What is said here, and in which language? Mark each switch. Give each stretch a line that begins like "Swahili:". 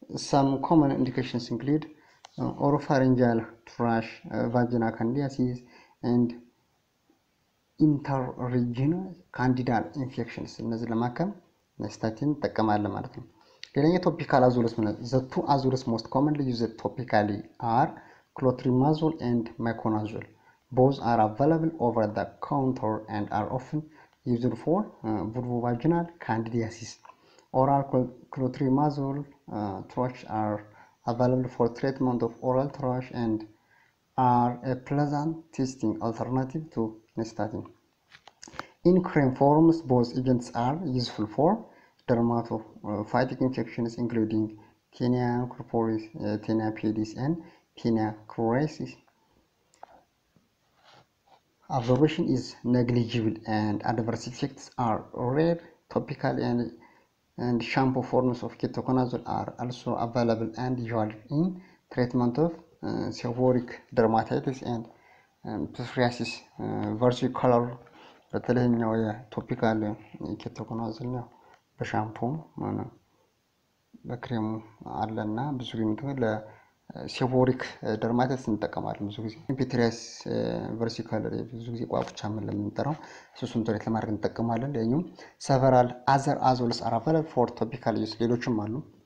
English: some common indications include oropharyngeal thrush vaginal candidiasis and interregional candidal infections
Amharic: እነዚህ ለማከም ናይስታቲን ተቀማለ ማለት ነው። ሌላኛው ቶፒካል አዞልስ ምን ነው?
English: ዘቱ አዞልስ most commonly used topically are clotrimazole and miconazole. Both are available over the counter and are often used for vulvovaginal candidiasis. Oral clotrimazole thrush are available for treatment of oral thrush and are a pleasant tasting alternative to ናይስታቲን. In cream forms, both agents are useful for dermatophytic infections, including tinea corporis, tinea pedis, and tinea cruris. Absorption is negligible, and adverse effects are rare. Topical and shampoo forms of ketoconazole are also available and usual in treatment of seborrheic dermatitis and psoriasis. Versicolor.
Amharic: በተለይኛው የቶፒካል ኬቶኮናዞል ነው በሻምፖ ማለት በክሬም አለና ብዙ ግን ለሴቦሪክ ደርማቲስ እንጠቀማለን ብዙ ጊዜ ኢምፒትሪያስ ቨርሲካለር ብዙ ጊዜ ቋቁቻ ምን ለምንጠራው እሱን ትሬት ለማድረግ እንጠቀማለን ለኛም
English: ሰቨራል አዘር አዞልስ አራፈለ ፎር ቶፒካል ዩስ
Amharic: ሌሎችም አሉ